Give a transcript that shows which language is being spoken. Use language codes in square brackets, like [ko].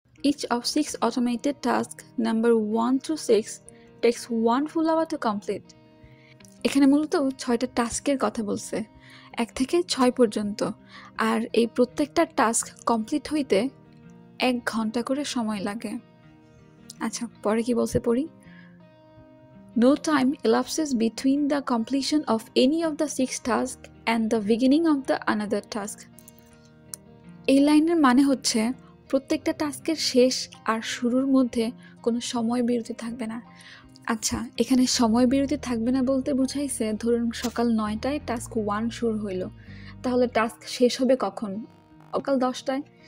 [en] Each of six automated task number 1 through 6 takes 1 full hour to complete. [bn] এখানে মূলত 6টা টাস্কের কথা বলছে, 1 থেকে 6 পর্যন্ত, আর এই প্রত্যেকটা টাস্ক কমপ্লিট হইতে 1 ঘন্টা করে সময় লাগে। আচ্ছা পরে কি বলছে পড়ি। [en] No time elapses between the completion of any of the 6 tasks and the beginning of the another task. [bn] এই লাইনের মানে হচ্ছে প্রত্যেকটা টাস্কের শেষ আর শুরুর মধ্যে কোনো সময় বিরতি থাকবে না। আচ্ছা এখানে সময় বিরতি থাকবে না বলতে বুঝাইছে, ধরুন সকাল 9টায় টাস্ক 1 শুরু হইল, তাহলে টাস্ক শেষ হবে কখন? সকাল 10টায়।